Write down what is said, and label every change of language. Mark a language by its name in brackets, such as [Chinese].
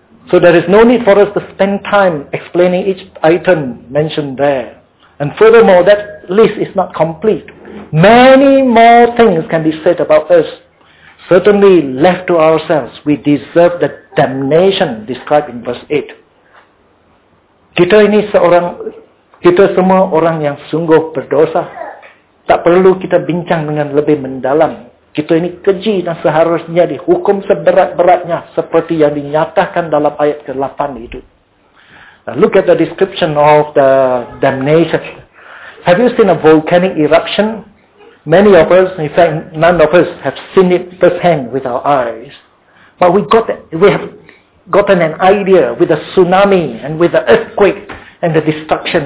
[English] So there is no need for us to spend time explaining each item mentioned there. And furthermore, that list is not complete. Many more things can be said about us. Certainly, left to ourselves, we deserve the damnation described in verse 8. [Malay] Kita ini seorang, kita semua orang yang sungguh berdosa. Tak perlu kita bincang dengan lebih mendalam. Kita ini keji dan seharusnya dihukum seberat-beratnya seperti yang dinyatakan dalam ayat ke-8 itu. [English] Now look at the description of the damnation. Have you seen a volcanic eruption? Many of us, in fact, none of us have seen it firsthand with our eyes. But we have gotten an idea with the tsunami and with the earthquake and the destruction.